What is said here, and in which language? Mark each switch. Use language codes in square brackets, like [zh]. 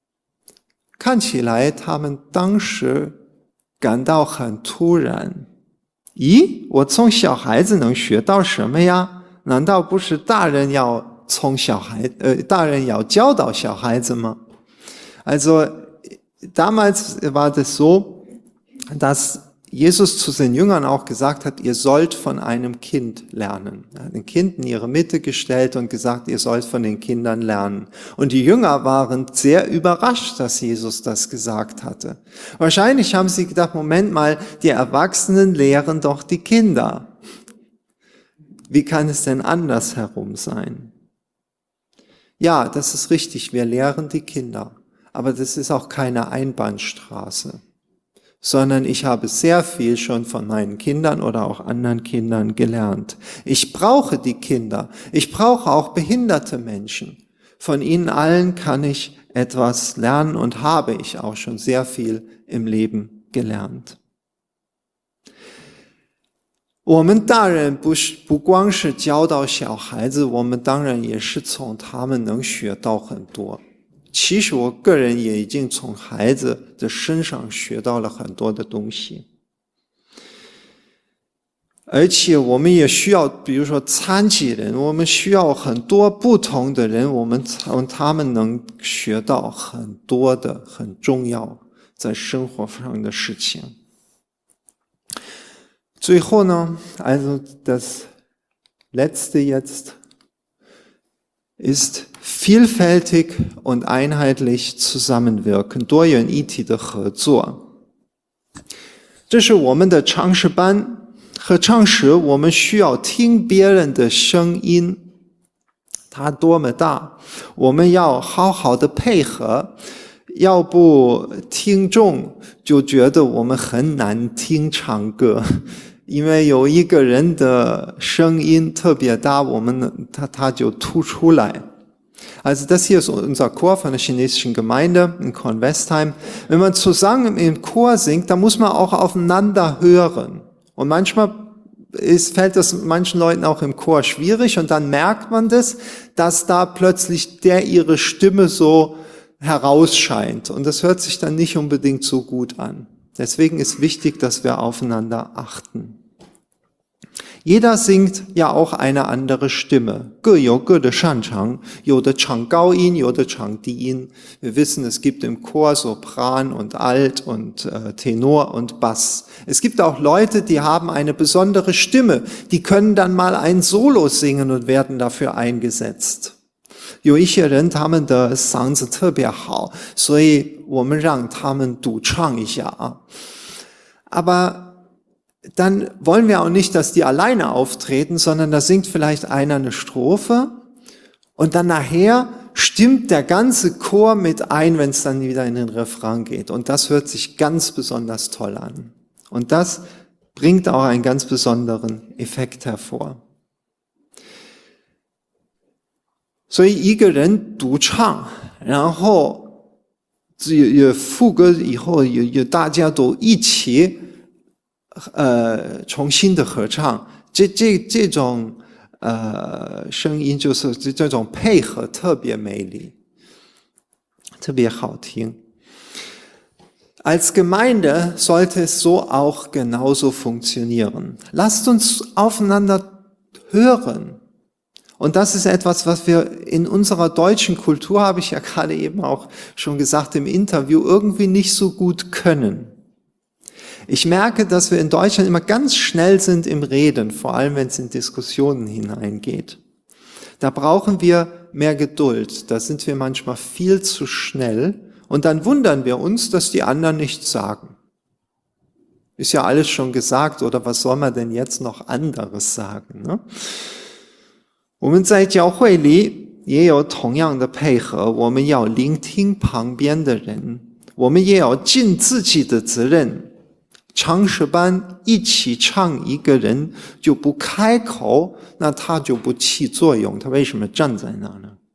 [zh] 耶稣对门徒说，你们要从小孩子学习。看起来他们当时 感到很突然，咦，我从小孩子能学到什么呀？难道不是大人要教导小孩子吗？ [de] Also damals war das so, dass Jesus zu seinen Jüngern auch gesagt hat, ihr sollt von einem Kind lernen. Er hat ein Kind in ihre Mitte gestellt und gesagt, ihr sollt von den Kindern lernen. Und die Jünger waren sehr überrascht, dass Jesus das gesagt hatte. Wahrscheinlich haben sie gedacht, Moment mal, die Erwachsenen lehren doch die Kinder. Wie kann es denn andersherum sein? Ja, das ist richtig, wir lehren die Kinder. Aber das ist auch keine Einbahnstraße. Sondern ich habe sehr viel schon von meinen Kindern oder auch anderen Kindern gelernt. Ich brauche die Kinder. Ich brauche auch behinderte Menschen. Von ihnen allen kann ich etwas lernen und habe ich auch schon sehr viel im Leben gelernt. [zh] 我们大人不光是教导小孩子，我们当然也是从他们能学到很多。其实我个人也已经从孩子的身上学到了很多的东西。而且我们也需要，比如说残疾人，我们需要很多不同的人，我们从他们能学到很多的很重要在生活上的事情。最后呢， [de] also das letzte jetzt ist vielfältig und einheitlich zusammenwirken， [zh] 多元一体的合作。这是我们的唱诗班和唱诗，我们需要听别人的声音，它多么大，我们要好好的配合，要不听众就觉得我们很难听唱歌，因为有一个人的声音特别大，我们他就突出来。 [de] Also das hier ist unser Chor von der chinesischen Gemeinde in Kornwestheim. Wenn man zusammen im Chor singt, dann muss man auch aufeinander hören. Und manchmal fällt das manchen Leuten auch im Chor schwierig und dann merkt man das, dass da plötzlich der ihre Stimme so herausscheint. Und das hört sich dann nicht unbedingt so gut an. Deswegen ist wichtig, dass wir aufeinander achten. Jeder singt ja auch eine andere Stimme. [zh] 各有各的擅长，有的唱高音，有的唱低音。 [de] Wir wissen, es gibt im Chor Sopran und Alt und Tenor und Bass. Es gibt auch Leute, die haben eine besondere Stimme, die können dann mal ein Solo singen und werden dafür eingesetzt. [zh] 有一些人他们的嗓子特别好，所以我们让他们独唱一下啊。 [de] Aber dann wollen wir auch nicht, dass die alleine auftreten, sondern da singt vielleicht einer eine Strophe und dann nachher stimmt der ganze Chor mit ein, wenn es dann wieder in den Refrain geht. Und das hört sich ganz besonders toll an. Und das bringt auch einen ganz besonderen Effekt hervor. [zh] So, 一个人独唱，然后有副歌以后，有大家都一起重新的合唱，这种声音就是这种配合特别美丽，特别好听。 [de] Als Gemeinde sollte es so auch genauso funktionieren. Lasst uns aufeinander hören. Und das ist etwas, was wir in unserer deutschen Kultur, habe ich ja gerade eben auch schon gesagt im Interview, irgendwie nicht so gut können. Ich merke, dass wir in Deutschland immer ganz schnell sind im Reden, vor allem wenn es in Diskussionen hineingeht. Da brauchen wir mehr Geduld, da sind wir manchmal viel zu schnell und dann wundern wir uns, dass die anderen nichts sagen. Ist ja alles schon gesagt, oder was soll man denn jetzt noch anderes sagen? Ne? [zh] 我们在教会里也有同样的配合，我们要聆听旁边的人，我们也要尽自己的责任。唱诗班一起唱，一个人就不开口，那他就不起作用，他为什么站在那呢？